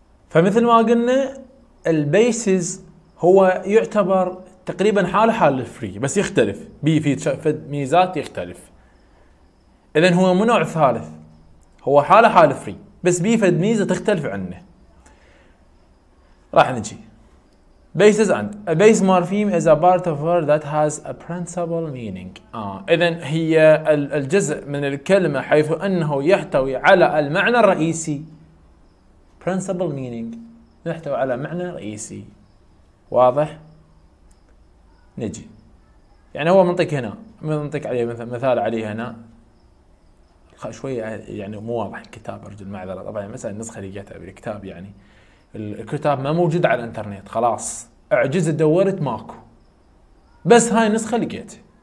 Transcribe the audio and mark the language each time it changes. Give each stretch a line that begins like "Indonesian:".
Arabic: فمثل ما قلنا البيسز هو يعتبر تقريبا حال الفري بس يختلف بي في ميزات يختلف. إذن هو مو نوع ثالث. هو حال فري بس بيه فد ميزة تختلف عنه. راح نجي
English: basis and a base morpheme is a part of word that has a principal meaning.
Arabic: إذن هي الجزء من الكلمة حيث أنه يحتوي على المعنى الرئيسي.
English: principal meaning
Arabic: يحتوي على معنى رئيسي. واضح؟ نجي يعني هو منطق هنا منطق عليه مثال عليه هنا شوية يعني مو واضح الكتاب أرجل معذرة طبعا مثلا النسخة اللي جاتها بالكتاب يعني الكتاب ما موجود على الانترنت خلاص أعجز دورت ماكو بس هاي النسخة اللي جاتها